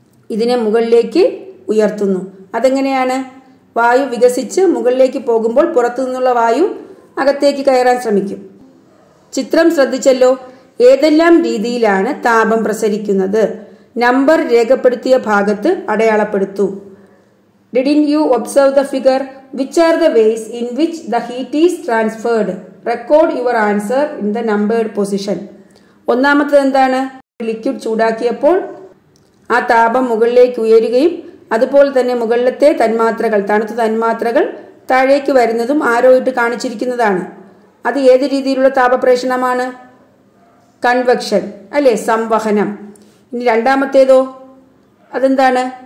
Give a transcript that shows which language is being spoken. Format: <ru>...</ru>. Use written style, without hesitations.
<ml>ഇതിനെ മുകളിലേക്ക് ഉയർത്തുന്നു. അതെങ്ങനെയാണ്? വായു വികസിച്ച് മുകളിലേക്ക് പോകുമ്പോൾ പുറത്തു നിന്നുള്ള വായു അകത്തേക്ക് കയറാൻ ശ്രമിക്കും. ചിത്രം ശ്രദ്ധിച്ചല്ലോ. ഏതെല്ലാം രീതിയിലാണ് താപം പ്രസരിക്കുന്നത്? നമ്പർ രേഖപ്പെടുത്തിയ ഭാഗത്ത് അടയാളപ്പെടുത്തു.</ml> <en>Didn't you observe the figure? Which are the ways in which the heat is transferred? Record your answer in the numbered position.</en> <ml>ഒന്നാമത്തത് എന്താണ്? ലിക്വിഡ് ചൂടാക്കിയപ്പോൾ ആ താപം മുകളിലേക്ക് ഉയരുകയും അതുപോലെ തന്നെ മുകളിലത്തെ തന്മാത്രകൾ, തണുത്ത തന്മാത്രകൾ താഴേക്ക് വരുന്നതും ആരോ ഇട്ട് കാണിച്ചിരിക്കുന്നതാണ്. അത് ഏത് രീതിയിലുള്ള താപപ്രേഷണമാണ്? കൺവെക്ഷൻ അല്ലേ, സംവഹനം. ഇനി രണ്ടാമത്തേതോ? അതെന്താണ്?</ml>